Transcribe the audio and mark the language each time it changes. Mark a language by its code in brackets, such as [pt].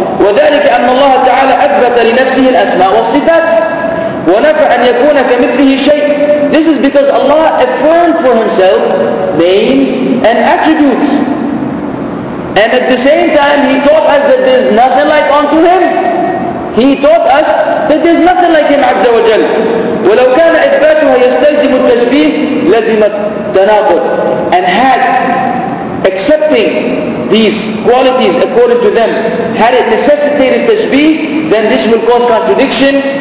[ar] وذلك أن الله تعالى أثبت لنفسه الأسماء والصفات ونفى أن يكون كمثله شيء. [en] This is because Allah affirmed for Himself names and attributes, and at the same time He taught us that there is nothing like unto Him. He taught us that there is nothing like Him عز وجل. [ar] ولو كان إثباته يستلزم التشبيه لزم التناقض. [en] And had accepting these qualities according to them, had it necessitated tashbih, then this will cause contradiction.